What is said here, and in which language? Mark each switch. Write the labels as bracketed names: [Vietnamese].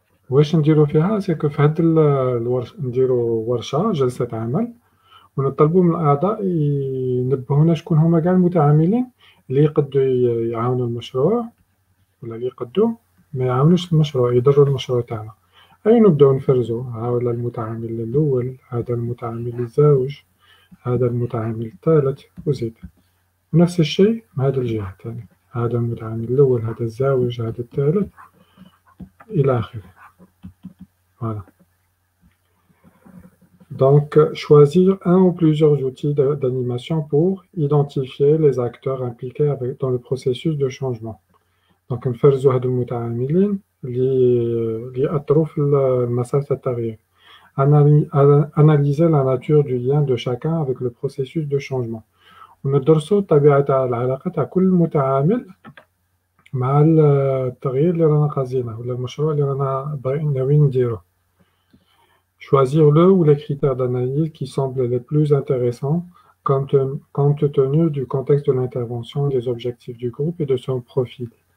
[Arabic] واش نديرو فيها؟ سيكو في هاد الورشة نديرو ورشة جلسة عمل ونطلبوا من الأعضاء ينبهونا شكون هما كاع المتعاملين اللي يقدوا يعاونوا المشروع ولا اللي يقدوا ما يعاونوش المشروع، يضروا المشروع تاعنا. أي نبداو نفرزوا، هاولا المتعامل الأول، هذا المتعامل الزوج، هذا المتعامل الثالث، وزيد نفس الشيء من هذا الجهة الثانية، هذا المتعامل الأول، هذا الزوج، هذا الثالث، إلى آخره. [French] هذا donc choisir un ou plusieurs outils d'animation pour identifier les acteurs impliqués dans le processus de changement. Donc on fait ce genre de [Arabic] متعاملين اللي اثروا في المسار تاع التغيير. [French] Analyser la nature du lien de chacun avec le processus de changement. [Arabic] On ندرسوا طبيعه تاع العلاقه تاع كل متعامل مع التغيير اللي رانا قازينه ولا المشروع اللي رانا باغيين نديرو. [French] Choisir le ou les critères d'analyse qui semblent les plus intéressants compte tenu du contexte de l'intervention, des objectifs du groupe et de son profil.